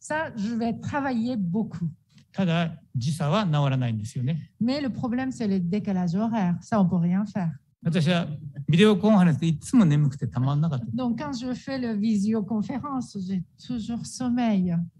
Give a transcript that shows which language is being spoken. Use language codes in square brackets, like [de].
[fr] Ça, je vais travailler beaucoup. [ja] ただ時差は治らないんですよね。 [fr] Mais le problème, c'est le décalage horaire. Ça, on peut rien faire. [ja] 私はビデオコンファレンスでいつも眠くてたまんなかった。 [fr] Donc, quand je fais le visioconférence, j'ai toujours sommeil.